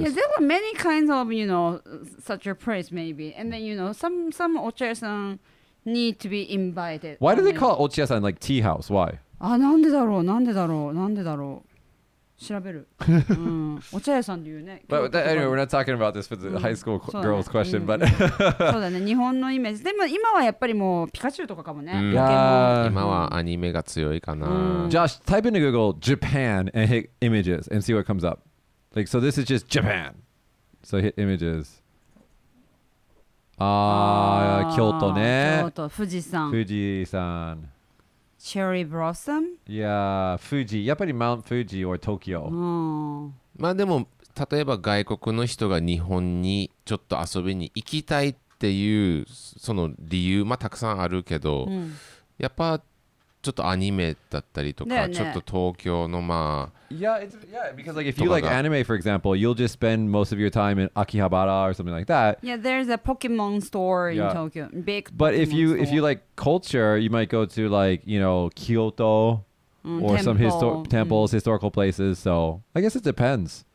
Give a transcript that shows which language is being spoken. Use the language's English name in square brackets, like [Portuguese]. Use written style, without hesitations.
[English] Yeah, there were many kinds of, you know, such a place maybe. And then, you know, some ochiya-san need to be invited. Why do they call ochiya-san like tea house? Why? [Japanese] Ah, なんでだろう?なんでだろう?なんでだろう?調べる。 ochiya-san っていうね。 [English] But anyway, we're not talking about this for the high school girls question, but... [Japanese] そうだね、日本のイメージ。でも今はやっぱりもうピカチュウとかかもね。今はアニメが強いかな。 [English] Josh, type into Google Japan and hit images and see what comes up. Like, so this is just Japan. So hit images. Kyoto ね。 [Japanese] Kyoto, 富士山。富士山。 [English] Cherry Blossom? Yeah, Fuji. [Japanese] やっぱり [English] Mount Fuji or Tokyo. [Japanese] まあでも、例えば外国の人が日本にちょっと遊びに行きたいっていうその理由、まあたくさんあるけど、やっぱちょっとアニメだったりとか、ちょっと東京のまあ… [English] Yeah, because like if you like anime, for example, you'll just spend most of your time in Akihabara or something like that. Yeah, there's a Pokemon store in Tokyo. Big But if you like culture, you might go to like, you know, Kyoto or temple. Some temples, historical places. So I guess it depends.